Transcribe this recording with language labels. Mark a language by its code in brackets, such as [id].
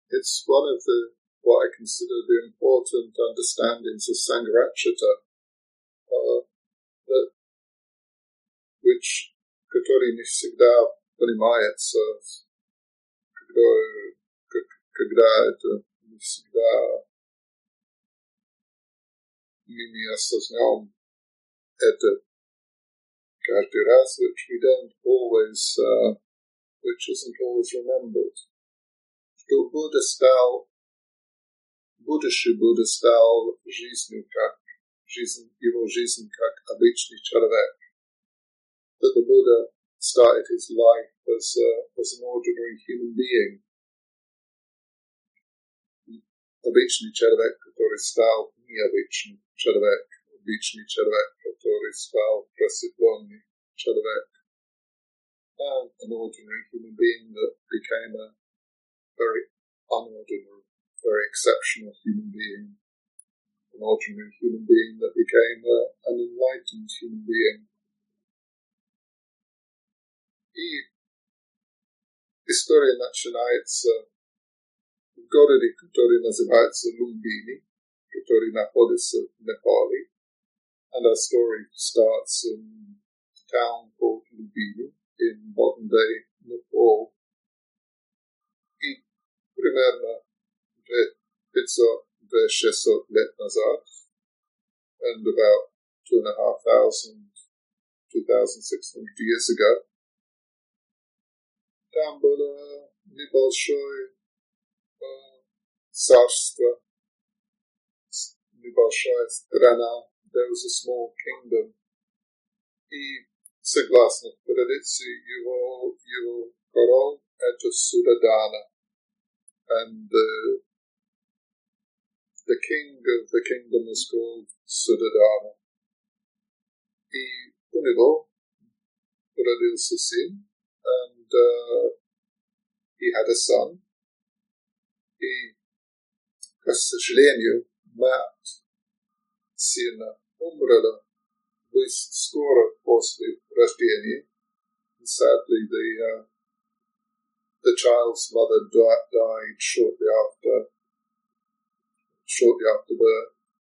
[en] It's one of what I consider the important understandings of Сангарачата, [ru] который не всегда понимается, когда это не всегда мы осознаем это каждый раз, [en] which we don't always, which isn't always remembered. [ru] Что Будда стал жизнью как обычный человек. [en] That the Buddha started his life as an ordinary human being. [ru] Обычный человек, который стал необычным человек. Обычный человек, который стал просветленный человек. [en] And an ordinary human being that became a very unordinary, very exceptional human being. An ordinary human being that became an enlightened human being. [ru] И история начинается в городе, который называется Лумбини, который находится в Непале. [en] And our story starts in a town called Лумбини in modern-day Nepal. [ru] И примерно 500-600 лет назад, [en] and about 2,600 years ago, [ru] там было небольшое царство, небольшая страна. [en] There was a small kingdom. [ru] И согласно традиции, его король это Суддходана. [en] And the king of the kingdom is called Suddhodana. [ru] И у него родился сын, [en] and he had a son. [ru] И, к сожалению, мать сына умерла скоро после рождения. [en] And sadly, the child's mother died shortly after birth.